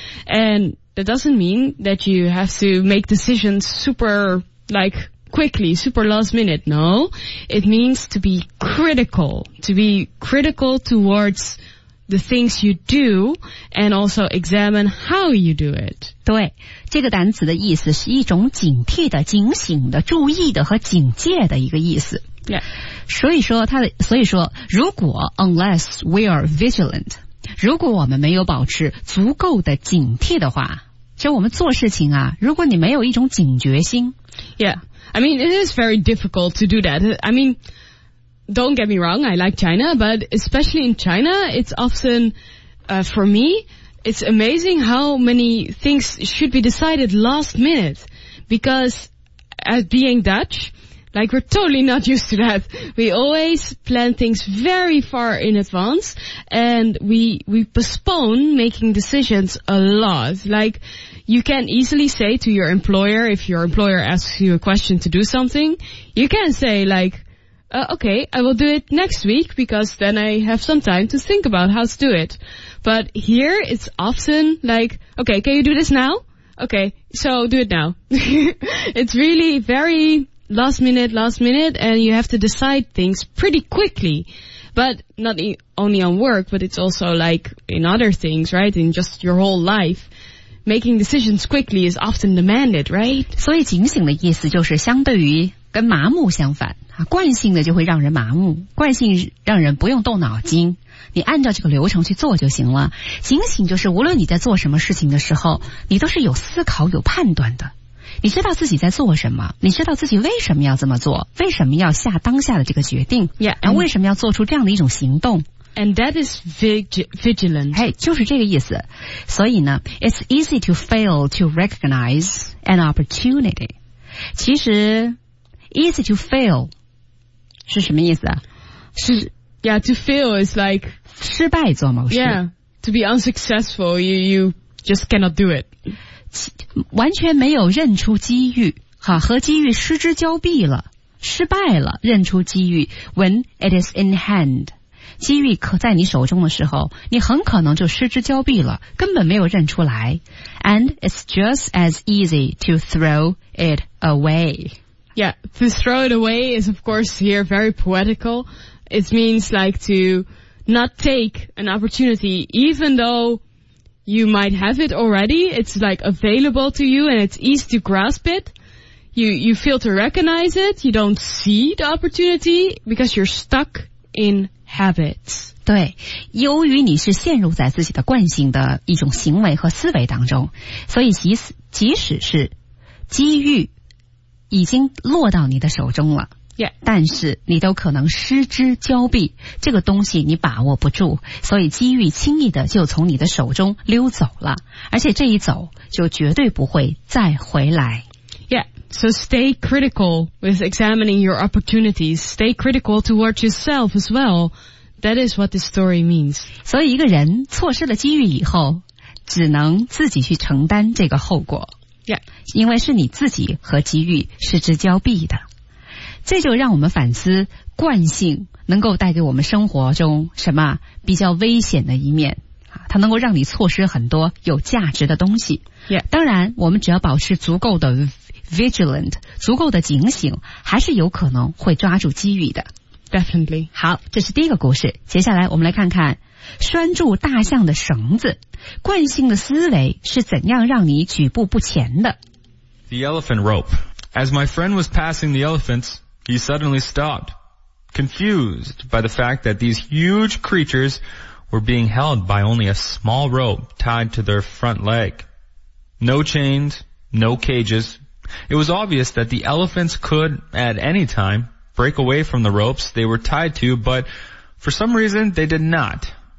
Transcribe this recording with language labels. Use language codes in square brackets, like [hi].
[en] And that doesn't mean that you have to make decisions super... Like, quickly, super last minute, no. It means to be critical. To be critical towards the things you do and also examine how you do it. [zh] 对,这个单词的意思是一种警惕的、警醒的、注意的和警戒的一个意思。 [en] Yeah. [zh] 所以说,如果 [en] unless we are vigilant, [zh] 如果我们没有保持足够的警惕的话,就我们做事情啊,如果你没有一种警觉心, [en] Yeah, I mean, it is very difficult to do that. I mean, don't get me wrong, I like China, but especially in China, it's often, for me, it's amazing how many things should be decided last minute. Because, as being Dutch, like, we're totally not used to that. We always plan things very far in advance, and we postpone making decisions a lot. Like... You can easily say to your employer, if your employer asks you a question to do something, you can say like,okay, I will do it next week because then I have some time to think about how to do it. But here it's often like, okay, can you do this now? Okay, so do it now. It's really very last minute, and you have to decide things pretty quickly. But not only on work, but it's also like in other things, right? In just your whole life. Making decisions quickly is often demanded, right? [zh] 所以警醒的意思就是相对于跟麻木相反、啊、惯性的就会让人麻木惯性让人不用动脑筋你按照这个流程去做就行了警醒就是无论你在做什么事情的时候你都是有思考有判断的你知道自己在做什么你知道自己为什么要这么做为什么要下当下的这个决定 [en] yeah, [zh] 然后为什么要做出这样的一种行动 [en] And that is vigilant. [zh] Hey, 就是这个意思。所以呢 [en] it's easy to fail to recognize an opportunity. [zh] 其实 [en] easy to fail [zh] 是什么意思啊 [en] 是 Yeah, to fail is like... [zh] 失败做某事。 [en] Yeah, to be unsuccessful, you just cannot do it. [zh] 完全没有认出机遇哈和机遇失之交臂了失败了认出机遇 [en] when it is in hand. [zh] 机遇可在你手中的时候你很可能就失之交臂了根本没有认出来 [en] And it's just as easy to throw it away Yeah, to throw it away is of course here very poetical It means like to not take an opportunity Even though you might have it already It's like available to you and it's easy to grasp itYou fail to recognize it You don't see the opportunity Because you're stuck inHabits. [zh] 对由于你是陷入在自己的惯性的一种行为和思维当中所以即使是机遇已经落到你的手中了、 [en] yeah. [zh] 但是你都可能失之交臂这个东西你把握不住所以机遇轻易的就从你的手中溜走了而且这一走就绝对不会再回来 [en] So stay critical with examining your opportunities. Stay critical towards yourself as well. That is what this story means. [zh] 所以一个人错失了机遇以后只能自己去承担这个后果。 [en] Yeah. [zh] 因为是你自己和机遇失之交臂的。这就让我们反思惯性能够带给我们生活中什么比较危险的一面。它能够让你错失很多有价值的东西。 [en] Yeah. [zh] 当然我们只要保持足够的Vigilant, 足够的警醒还是有可能会抓住机遇的。 [en] Definitely. [zh] 好这是第一个故事接下来我们来看看拴住大象的绳子惯性的思维是怎样让你举步不前的。 [en] The elephant rope. As my friend was passing the elephants, he suddenly stopped. confused by the fact that these huge creatures were being held by only a small rope tied to their front leg. No chains, no cages. It was obvious that the elephants could, at any time, break away from the ropes they were tied to, but for some reason, they did not.